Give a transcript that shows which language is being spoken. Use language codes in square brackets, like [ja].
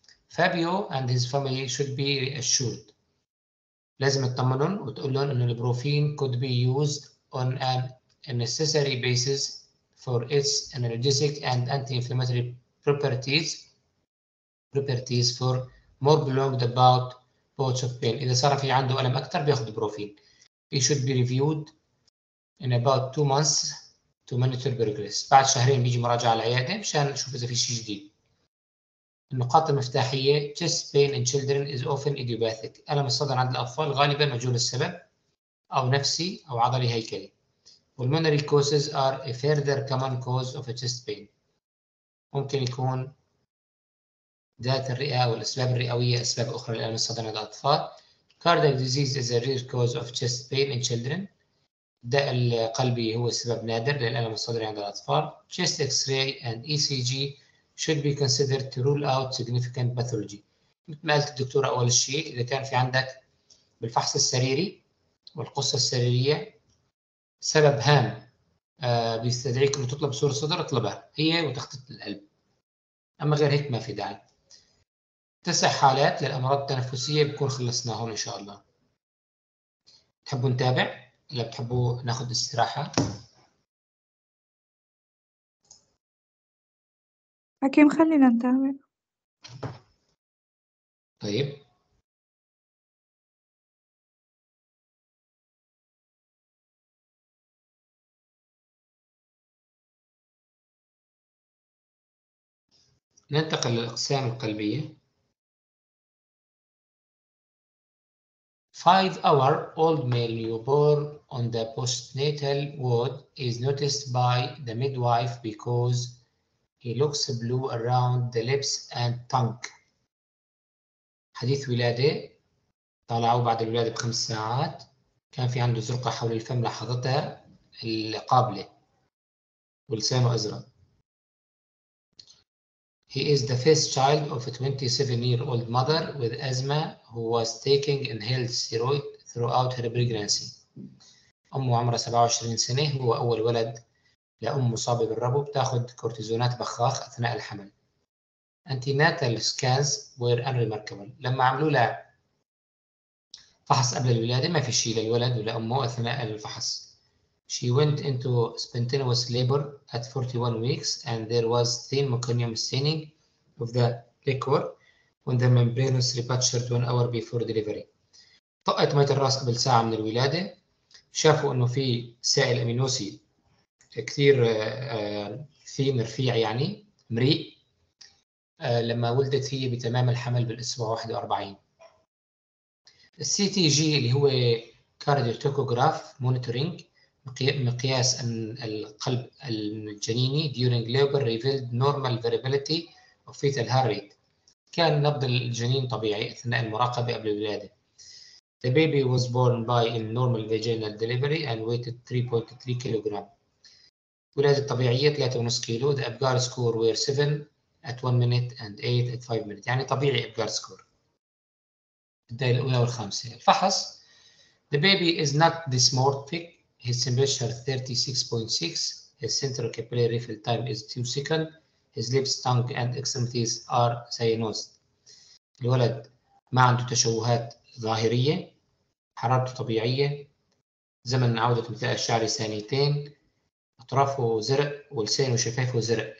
[en] Fabio and his family should be reassured. [ar] لازم تطمنهم وتقول لهم أن البروفين [en] could be used on an necessary basis for its analgesic and anti-inflammatory properties for more prolonged about bouts of pain. [ar] إذا صار في عنده ألم أكثر بياخذ بروفين. [en] It should be reviewed in about 2 months to monitor progress. [ar] بعد شهرين بيجي مراجعة على العيادة مشان نشوف إذا في شيء جديد. النقاط المفتاحية: [en] chest pain in children is often idiopathic. [ar] ألم الصدر عند الأطفال غالبا مجهول السبب أو نفسي أو عضلي هيكلي. [en] Pulmonary causes are a further common cause of a chest pain. [ar] ممكن يكون ذات الرئة والأسباب الرئوية أسباب أخرى لألم الصدر عند الأطفال. [en] Cardiac disease is a rare cause of chest pain in children. [ar] الداء القلبي هو سبب نادر للألم الصدري عند الأطفال. [en] Chest X-ray and ECG should be considered to rule out significant pathology. [ar] مثل ما قلت الدكتورة أول شيء، إذا كان في عندك بالفحص السريري والقصة السريرية سبب هام بيستدعيك إنه تطلب صورة صدر، اطلبها هي وتخطيط القلب. أما غير هيك ما في داعي. 9 حالات للأمراض التنفسية بكون خلصناهم إن شاء الله. تحبوا نتابع؟ لا بتحبوا ناخذ استراحه؟ حكيم خلينا نتابع. طيب ننتقل للاقسام القلبيه. [en] 5-hour-old male newborn on the postnatal ward is noticed by the midwife because he looks blue around the lips and tongue. [ar] حديث ولادة طالعوا بعد الولادة ب5 ساعات كان في عنده زرقة حول الفم لاحظتها القابلة ولسانه أزرق. [en] He is the first child of a 27-year-old mother with asthma who was taking inhaled steroids throughout her pregnancy. [ar] أمه عمرها 27 سنة، هو أول ولد لأم مصابة بالربو، بتاخد كورتيزونات بخاخ أثناء الحمل. [en] Antenatal scans were unremarkable. [ar] لما عملوا له فحص قبل الولادة ما في شيء للولد ولا أمه أثناء الفحص. [en] She went into spontaneous labor at 41 weeks and there was thin meconium staining of the liquor when the membranous ruptured 1 hour before delivery. [ar] طقت مية الرأس قبل ساعة من الولادة، شافوا إنه في سائل أمينوسي كثير ثين رفيع يعني مريء لما ولدت هي بتمام الحمل بالأسبوع 41. [en] السي T G [ar] اللي هو [en] cardiotocograph monitoring [ar] مقياس القلب الجنيني [en] during labor revealed normal variability of fetal heart rate. [ar] كان نبض الجنين طبيعي أثناء المراقبة قبل الولادة. [en] The baby was born by a normal vaginal delivery and weighed 3.3 kilograms. [ar] ولادة طبيعية 3.5 كيلو. [en] The Apgar score were 7 at 1 minute and 8 at 5 minutes. [ar] يعني طبيعي Apgar score. الدائرة الأولى والخامسة. [en] الفحص. The baby is not dysmorphic. His temperature 36.6. His central capillary refill time is 2 seconds. His lips, tongue and extremities are cyanosed. [ar] الولد ما عنده تشوهات ظاهرية، حرارته طبيعية، زمن عودة مثل الشعر ثانيتين، أطرافه زرق ولسانه وشفافه زرق.